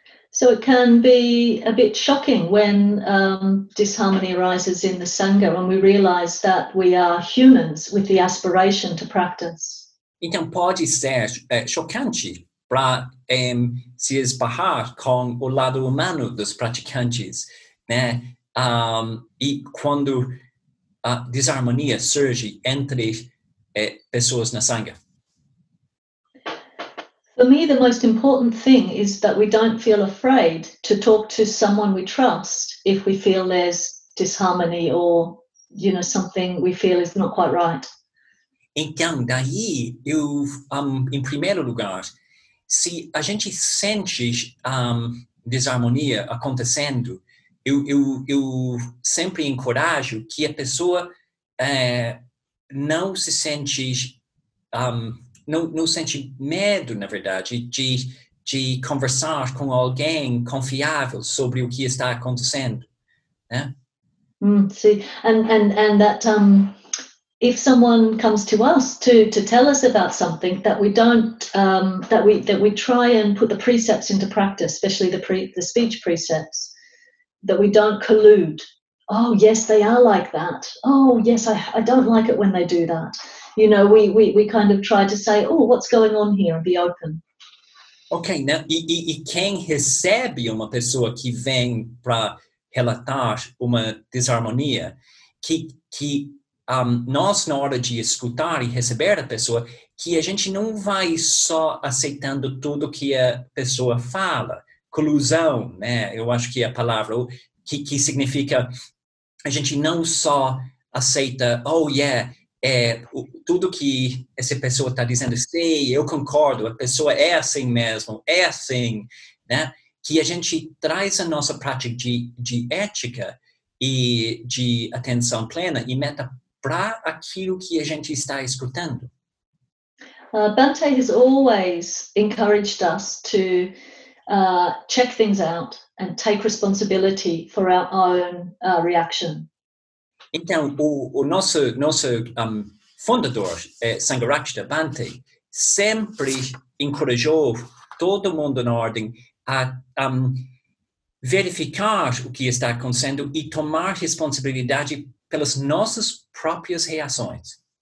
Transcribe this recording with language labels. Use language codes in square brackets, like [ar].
[en] So it can be a bit shocking when disharmony arises in the Sangha, when we realize that we are humans with the aspiration to practice. [pt] Então pode ser chocante para se esbarrar com o lado humano dos praticantes, né? E quando a desarmonia surge entre pessoas na Sangha. [en] For me, the most important thing is that we don't feel afraid to talk to someone we trust if we feel there's disharmony or, you know, something we feel is not quite right. [pt] Então, daí, eu, em primeiro lugar, se a gente sente desarmonia acontecendo, eu sempre encorajo que a pessoa não se sente... Não sente medo, na verdade, de conversar com alguém confiável sobre o que está acontecendo, né? [en] Sim, and that if someone comes to us to tell us about something that we don't that we try and put the precepts into practice, especially the speech precepts, that we don't collude. Oh yes, they are like that. Oh yes, I don't like it when they do that. You know, we kind of try to say, oh, what's going on here? Be open. Okay, now, [pt] e quem recebe uma pessoa que vem para relatar uma desarmonia, que nós, na hora de escutar e receber a pessoa, que a gente não vai só aceitando tudo que a pessoa fala. Colusão, né? Eu acho que é a palavra que significa a gente não só aceita, [en] oh, yeah, [pt] tudo que essa pessoa está dizendo, sei, eu concordo, a pessoa é assim mesmo, é assim, né? Que a gente traz a nossa prática de ética e de atenção plena e meta para aquilo que a gente está escutando. [en] Bhante has always encouraged us to check things out and take responsibility for our own reaction. [pt] Então, o nosso fundador, Sangharakshita Bhante, sempre encorajou todo mundo na ordem a verificar o que está acontecendo e tomar responsabilidade pelas nossas próprias reações.